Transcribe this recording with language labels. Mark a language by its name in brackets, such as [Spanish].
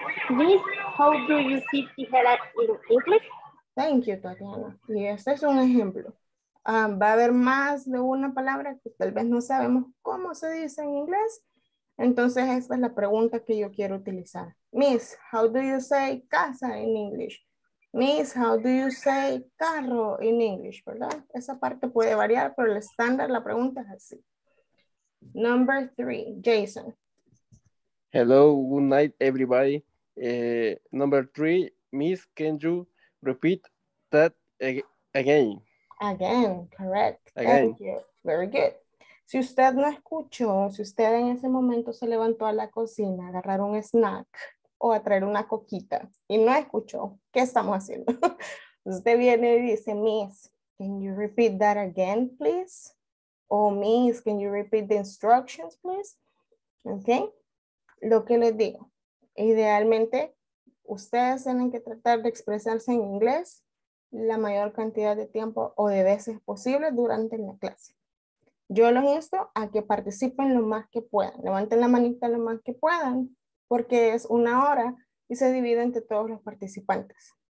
[English] Miss, how do you see tijera in English? Thank you, Tatiana. [Spanish] Y este es un ejemplo. Va a haber más de una palabra que tal vez no sabemos cómo se dice en inglés. Entonces, esta es la pregunta que yo quiero utilizar. [English] Miss, how do you say casa in English? Miss, how do you say carro in English? [Spanish] ¿Verdad? Esa parte puede variar, pero el estándar, la pregunta es así. [English] Number three, Jason. Hello, good night, everybody. Number three, Miss, can you repeat that again? Again, correct. Again. Thank you. Very good. [Spanish] Si usted no escuchó, si usted en ese momento se levantó a la cocina a agarrar un snack o a traer una coquita y no escuchó, ¿qué estamos haciendo? [English] Usted viene y dice, Miss, can you repeat that again, please? O Miss, can you repeat the instructions, please? Ok. [Spanish] Lo que les digo, idealmente, ustedes tienen que tratar de expresarse en inglés la mayor cantidad de tiempo o de veces posible durante la clase. Yo los insto a que participen lo más que puedan. Levanten la manita lo más que puedan, porque es una hora y se divide entre todos los participantes.